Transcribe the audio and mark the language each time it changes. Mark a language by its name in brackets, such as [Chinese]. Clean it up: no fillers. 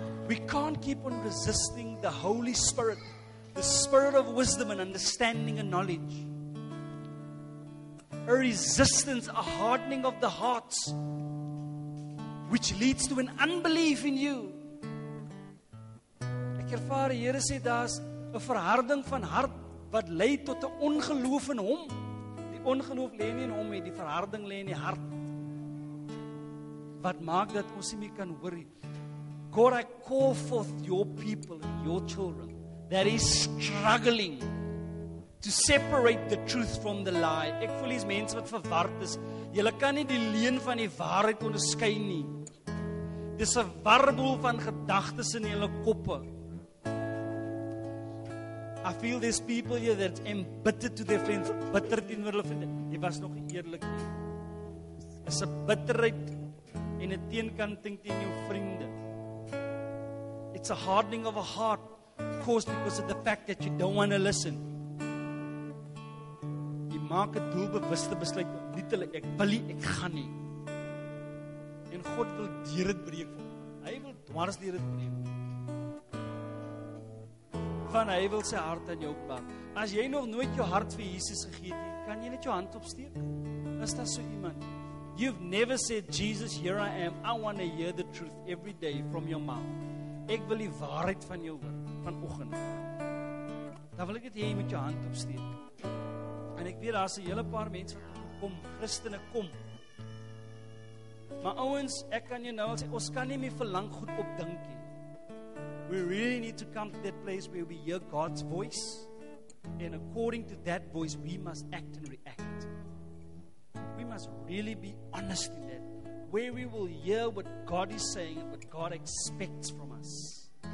[English] We can't keep on resisting the Holy Spirit, the Spirit of wisdom and understanding and knowledge. A resistance, a hardening of the hearts, which leads to an unbelief in you. [Afrikaans] Ek ervaar, Here sê, daar's 'n verharding van hart wat lei tot 'n ongeloof in hom. Die ongeloof lê nie in hom nie, die verharding lê in die hart. Wat maak dat ons nie kan hoor nie? [English] God, I call forth your people and your children that is struggling to separate the truth from the lie. [Afrikaans] Ek voel hier's mense wat verward is. Julle kan nie die leuen van die waarheid onderskei nie. Dis 'n warboel van gedagtes in julle koppe. [English] I feel these people here that's embittered to their friends, [Afrikaans] bitter teenoor hulle vriende. Jy was nog eerlik nie. Is 'n bitterheid en 'n teenkanting teen jou vriende. [English] It's a hardening of a heart caused because of the fact that you don't want to listen. [Afrikaans] Jy maak 'n doelbewuste besluit om nie te hulle, ek wil nie, ek gaan nie. En God wil deur dit breek. Hy wil dwars deur dit breek. Van hy wil sy hart aan jou pak. As jy nog nooit jou hart vir Jesus gegee het, kan jy net jou hand opsteek? Is daar so iemand? [English] You've never said, Jesus, here I am. I want to hear the truth every day from your mouth. [Afrikaans] Ek wil die waarheid van jou hoor vanoggend. Dan wil ek dit hê jy moet jou hand opsteek. En ek weet daar's 'n hele paar mense wat kom, Christene kom. Maar ouens, ek kan jou nou al sê, ons kan nie meer vir lank goed opdink nie. [English] We really need to come to that place where we hear God's voice, and according to that voice, we must act and react. We must really be honest in that, where we will hear what God is saying and what God expects from us.